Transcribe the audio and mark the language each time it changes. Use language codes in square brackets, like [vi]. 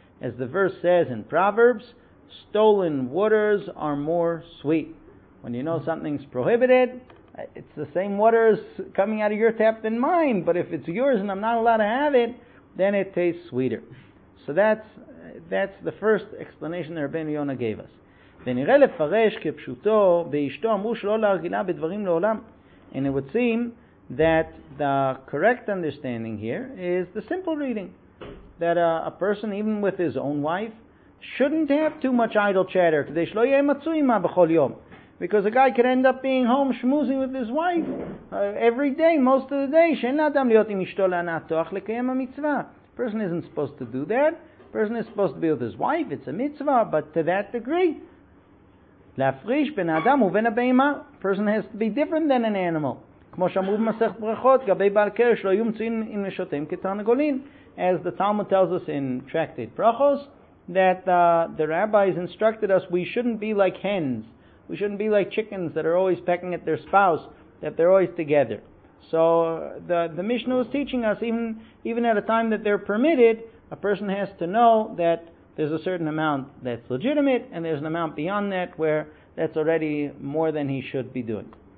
[en] As the verse says in Proverbs, stolen waters are more sweet. When you know something's prohibited, it's the same waters coming out of your tap than mine, but if it's yours and I'm not allowed to have it, then it tastes sweeter. So that's the first explanation that Rabbeinu Yonah gave us. [he] ונראה לפרש כפשוטו באשתו אמרו שלא להרגילה בדברים לעולם. [en] And it would seem that the correct understanding here is the simple reading, that a person, even with his own wife, shouldn't have too much idle chatter, [he] כדי שלא יהיה מצוי מה בכל יום. [en] Because a guy could end up being home schmoozing with his wife every day, most of the day, [he] שאין לאדם להיות עם אשתו לענת תוח לקיים המצווה. [en] A person isn't supposed to do that. A person is supposed to be with his wife. It's a mitzvah, but to that degree, [he] להפריש בין האדם ובין הבהמה. [en] Person has to be different than an animal. [he] כמו שאמרו במסכת ברכות, גבי בעל קרש לא יהיו מצויים עם נשותיהם כתרנגולים. [en] As the Talmud tells us in Tractate Brachos, that the rabbis instructed us, we shouldn't be like hens. We shouldn't be like chickens that are always pecking at their spouse, that they're always together. So the Mishnah was teaching us, even at a time that they're permitted, a person has to know that there's a certain amount that's legitimate, and there's an amount beyond that where that's already more than he should be doing.